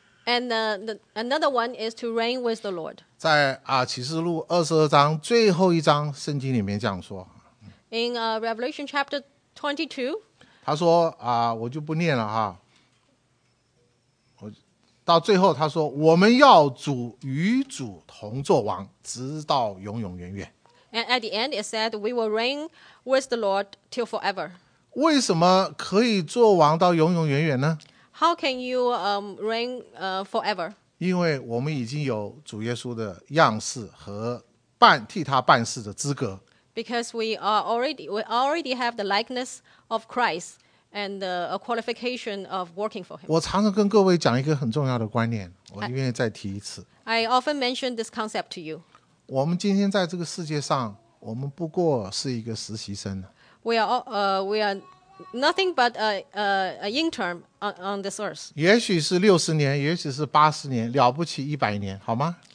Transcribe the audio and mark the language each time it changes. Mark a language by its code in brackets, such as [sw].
[en] And another one is to reign with the Lord. [zh] 在启示录二十二章最后一章圣经里面这样说。 [en] In Revelation chapter 22, [zh] 他说我就不念了哈。我到最后他说，我们要主与主同作王，直到永永远远。 [en] And at the end, it said we will reign with the Lord till forever. [zh] 为什么可以作王到永永远远呢？ [en] How can you reign forever? [zh] 因为我们已经有主耶稣的样式和替他办事的资格。 [en] Because we already have the likeness of Christ and a qualification of working for him. [zh] 我常常跟各位讲一个很重要的观念，我愿意再提一次。 [en] I often mention this concept to you. [zh] 我们今天在这个世界上，我们不过是一个实习生。 [en] We are nothing but an intern on this earth. [zh] 也许是60年，也许是80年，了不起100年，好吗？